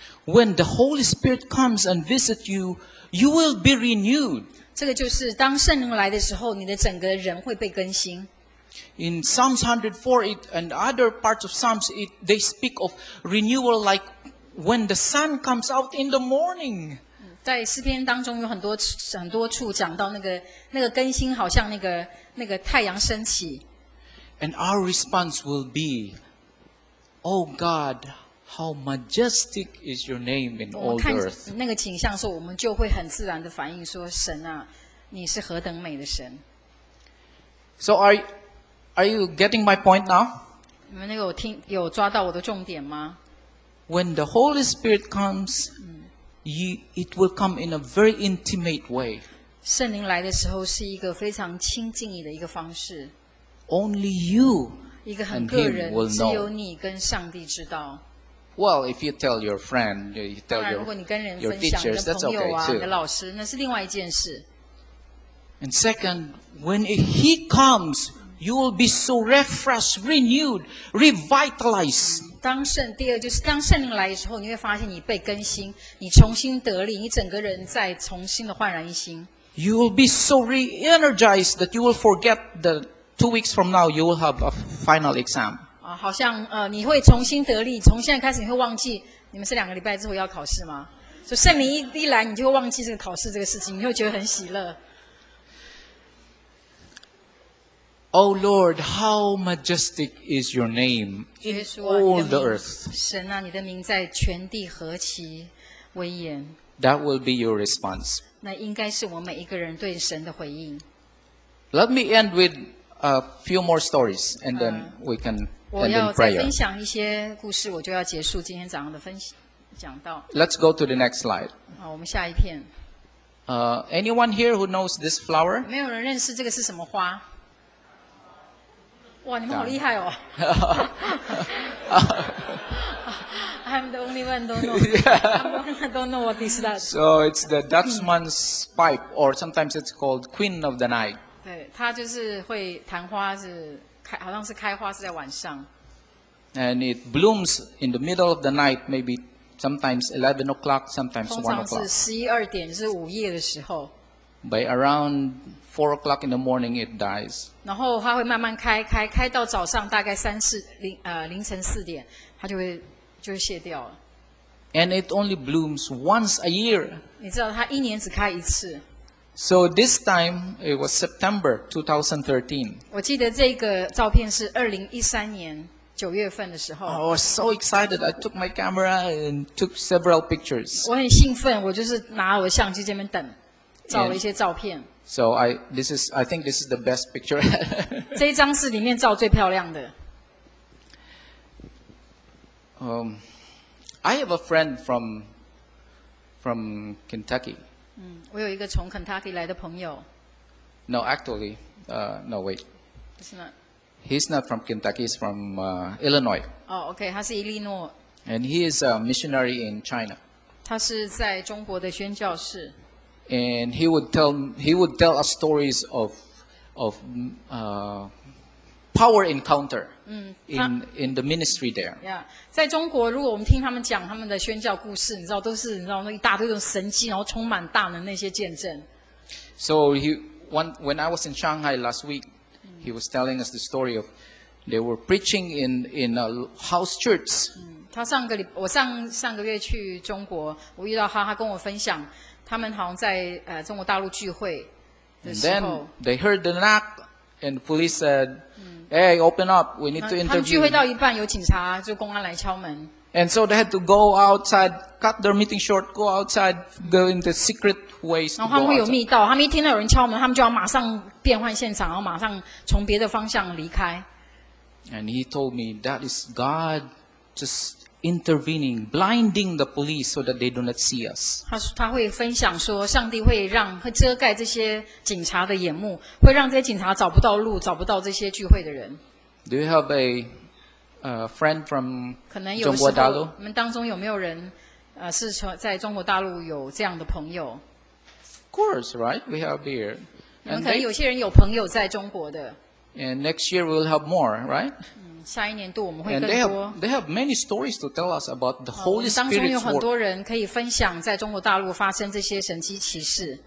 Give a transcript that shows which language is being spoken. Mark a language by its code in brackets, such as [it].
[en] When the Holy Spirit comes and visits you, you will be renewed. [zh] 这个就是当圣灵来的时候，你的整个人会被更新。 [en] In Psalms 104 and other parts of Psalms, they speak of renewal like when the sun comes out in the morning. [zh] 在诗篇当中有很多处讲到那个更新，好像那个太阳升起。 [en] And our response will be, Oh God, how majestic is your name in all the earth. [zh] 那个景象的时候，我们就会很自然的反应说，神啊，你是何等美的神。 [en] So are you getting my point now? [zh] 你们那个有抓到我的重点吗？ [en] When the Holy Spirit comes, it will come in a very intimate way. [zh] 圣灵来的时候是一个非常亲近你的一个方式。 [en] Only you and him will know. [zh] 只有你跟上帝知道。 [en] Well, if you tell your friend, you tell your teachers, that's okay too. [zh] 你的老师，那是另外一件事。 [en] And second, when he comes, you will be so refreshed, renewed, revitalized. [zh] 当圣灵来的时候，你会发现你被更新，你重新得力，你整个人在重新的焕然一新。 [en] You will be so re-energized that you will forget that two weeks from now you will have a final exam. [zh] 好像你会重新得力，从现在开始你会忘记你们是两个礼拜之后要考试吗？所以圣灵一来，你就会忘记这个考试这个事情，你会觉得很喜乐。 [en] Oh Lord, how majestic is your name in all the earth. [zh] 神啊，你的名在全地何其威严。 [en] That will be your response. [zh] 那应该是我每一个人对神的回应。 [en] Let me end with a few more stories, and then we can end in prayer. [zh] 我要再分享一些故事，我就要结束今天早上的分享讲道。 [en] Let's go to the next slide. [zh] 好，我们下一片。 [en] Anyone here who knows this flower? [zh] 没有人认识这个是什么花。哇，你们好厉害哦！ [en] I'm the only one don't know. I don't know what is that. So it's the Dutchman's pipe, or sometimes it's called Queen of the Night. [zh] 对，它就是会弹花，好像是开花是在晚上。 [en] And it blooms in the middle of the night, maybe sometimes 11 o'clock, sometimes 1 o'clock. [zh] 通常是11点，是午夜的时候。 [en] By around 4 o'clock in the morning, it dies. [zh] 然后它会慢慢开到早上大概凌晨四点，它就会谢掉了。 [en] And it only blooms once a year. [zh] 你知道它一年只开一次。 [en] So this time, it was September 2013. [zh] 我记得这个照片是2013年9月份的时候。 [en] I was so excited. I took my camera and took several pictures. [zh] 我很兴奋，我就是拿我的相机这边等。照了一些照片。 [en] So I think this is the best picture. [zh] 这一张是里面照最漂亮的。 [en] I have a friend from Kentucky. [zh] 我有一个从 Kentucky 来的朋友。 [en] No, actually, no, wait. It's not. He's not from Kentucky. He's from Illinois. Oh, okay. [zh] 他是伊利诺。 [en] And he is a missionary in China. [zh] 他是在中国的宣教士。 [en] And he would tell us stories of power encounter in the ministry there. [zh] Yeah, 在中国，如果我们听他们讲他们的宣教故事，你知道都是你知道那一大堆的神迹，然后充满大能那些见证。 [en] So when I was in Shanghai last week, he was telling us the story of they were preaching in a house church. [zh] 我上个月去中国，我遇到他跟我分享。他们好像在中国大陆聚会。 [en] And then they heard the knock, and the police said, "Hey, open up. We need to interview." [zh] 他们聚会到一半，有警察就公安来敲门。 [en] And so they had to go outside, cut their meeting short, go outside, go in the secret ways. [zh] 然后他们会有密道，他们一听到有人敲门，他们就要马上变换现场，然后马上从别的方向离开。 [en] And he told me that is God just intervening, blinding the police so that they do not see us. [zh] 他会分享说，上帝会让会遮盖这些警察的眼目，会让这些警察找不到路，找不到这些聚会的人。 [en] Do you have a friend from [zh] 可能有中国大陆？你们当中有没有人是在中国大陆有这样的朋友 [en] ？Of course, right? We have here. [zh] 你们可能有些人有朋友在中国的。 [en] And next year we'll have more, right? [zh] 下一年度我们会更多。 [en] They have many stories to tell us about the Holy Spirit's work. [zh] 当中有很多人可以分享在中国大陆发生这些神迹奇事。